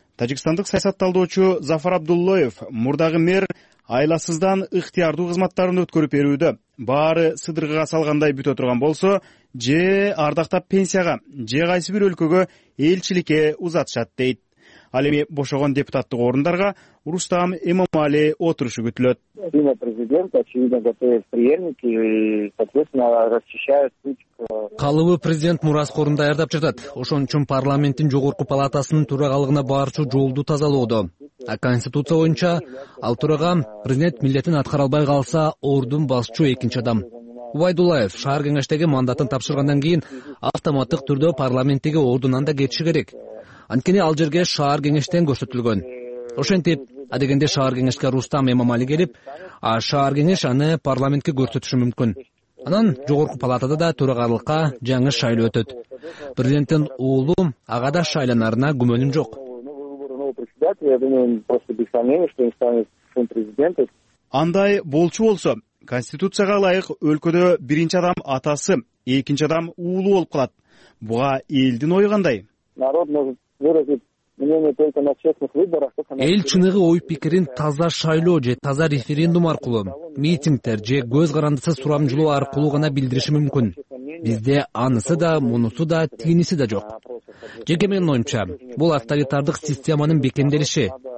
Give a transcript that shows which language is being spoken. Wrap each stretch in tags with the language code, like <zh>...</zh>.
<ky>Тажикстандык саясат талдоочу Зафар Абдуллоев мурдагы мэр айласыздан ыктыярдуу кызматтарын өткөрүп берүүдө баары сыдыргыга салгандай бүтө турган болсо, же ардактап пенсияга, же кайсы бир өлкөгө элчиликке узатышат дейт. Ал эми бошогон депутаттык орундарга Рустам Эмомали отурушу күтүлөт.</ky> <ru>Имя президента, очевидно, готовят преемники и, соответственно, расчищают путь к...</ru> <ky>Калыбы президент мураскорун даярдап жатат. Ошон үчүн парламенттин жогорку палатасынын төрагалыгына барчу жолду тазалоодо. А конституция боюнча ал турага президент милдетин аткара албай калса ордун басчу экинчи адам. Убайдуллаев шаар кеңештеги мандатын тапшыргандан кийин автоматтык түрдө парламенттеги ордунан да кетиши керек. Анткени ал жерге шаар кеңештен көрсөтүлгөн. Ошентип, адегенде шаар кеңешке Рустам Эмомали келип, а шаар кеңеш аны парламентке көрсөтүшү мүмкүн. Анан жогорку палатада да төрагалыкка жаңы шайлоо өтөт. Президенттин уулу ага да шайланарына күмөнүм жок. Андай болчу болсо, конституцияга ылайык өлкөдө биринчи адам атасы, экинчи адам уулу болуп калат. Буга элдин ою кандай?</ky> <ru>Народ может выразить мнение только на честных выборах.</ru> <ky>Эл чыныгы ой пикирин таза шайлоо же таза референдум аркылуу, митингтер же көз карандысыз сурамжылоо аркылуу гана билдириши мүмкүн. Бизде анысы да, мунусу да, тигиниси да жок. Жеке менин оюмча, бул авторитардык системанын бекемделиши.</ky>